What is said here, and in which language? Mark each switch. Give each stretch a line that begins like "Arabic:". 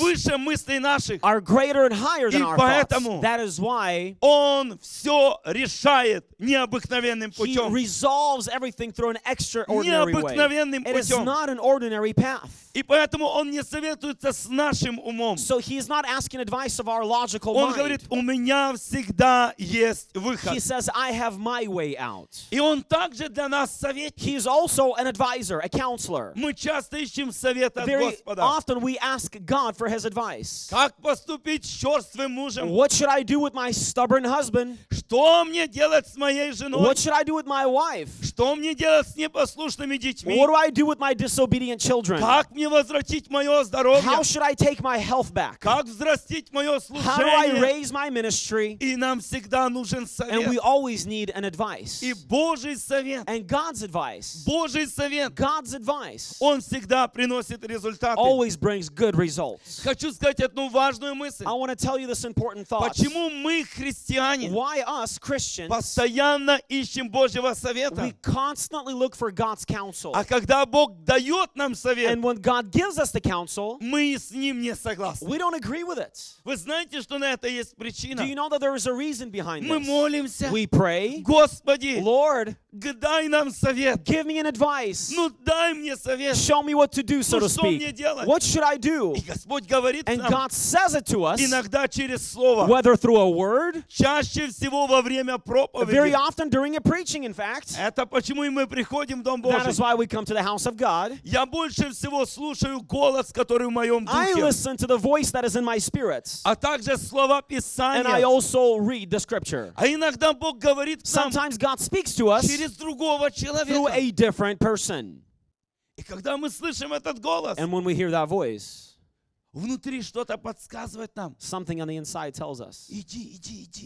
Russian: Выше мыслей наших.
English: Are greater and higher than
Russian: и
English: our
Russian: поэтому
English: thoughts.
Russian: Он все решает необыкновенным путем.
English: He resolves everything through an extraordinary
Russian: необыкновенным
English: way.
Russian: Путем.
English: It is not an ordinary path.
Russian: И поэтому он не советуется с нашим умом.
English: So he is not asking advice of our logical
Russian: он
English: mind.
Russian: Он говорит, у меня всегда есть выход.
English: He says, I have my way out.
Russian: И он также для нас советник.
English: He is also an advisor, a counselor.
Russian: Мы часто ищем совета
English: Very
Russian: от Господа.
English: Often we ask God for his advice.
Russian: Как поступить с черствым мужем?
English: What should I do with my stubborn husband?
Russian: Что мне делать с моей женой?
English: What should I do with my wife?
Russian: Что мне делать с непослушными детьми?
English: What do I do with my disobedient children?
Russian: Как мне возвратить мое здоровье?
English: How should I take my health back?
Russian: Как взрастить мое служение?
English: How do I raise my ministry?
Russian: И нам всегда нужен совет.
English: And we always need an advice.
Russian: И Божий совет.
English: And God's advice.
Russian: Божий совет.
English: God's advice.
Russian: Он всегда приносит результаты.
English: Always brings good results.
Russian: Хочу сказать одну важную мысль.
English: I want to tell you this important thought.
Russian: Почему мы христиане?
English: Why us Christians?
Russian: Постоянно ищем Божьего совета.
English: We constantly look for God's counsel.
Russian: А когда Бог дает нам совет,
English: and when God gives us the counsel,
Russian: мы с ним не согласны.
English: We don't agree with it.
Russian: Вы знаете, что на это есть причина?
English: Do you know that there is a reason behind this?
Russian: Мы молимся.
English: We pray.
Russian: Господи,
English: Lord,
Russian: дай нам совет.
English: Give me an advice.
Russian: Ну дай мне совет.
English: Show me what to do, so to speak.
Russian: Что мне делать?
English: What should I do?
Russian: И Господь говорит
English: and
Russian: нам,
English: God says it to us,
Russian: иногда через слово,
English: whether through a word,
Russian: чаще всего во время проповеди,
English: very often during a preaching, in fact,
Russian: это почему и мы приходим в Дом Божий.
English: That is why we come to the house of God.
Russian: Я больше всего слушаю голос, который в моем духе.
English: I listen to the voice that is in my spirit.
Russian: А также слова Писания.
English: And I also read the scripture.
Russian: А иногда Бог говорит нам,
English: sometimes God speaks to us,
Russian: через другого человека,
English: through a different person.
Russian: И когда мы слышим этот голос,
English: and when we hear that voice,
Russian: внутри что-то подсказывает нам.
English: Something on the inside tells us.
Russian: Иди, иди, иди.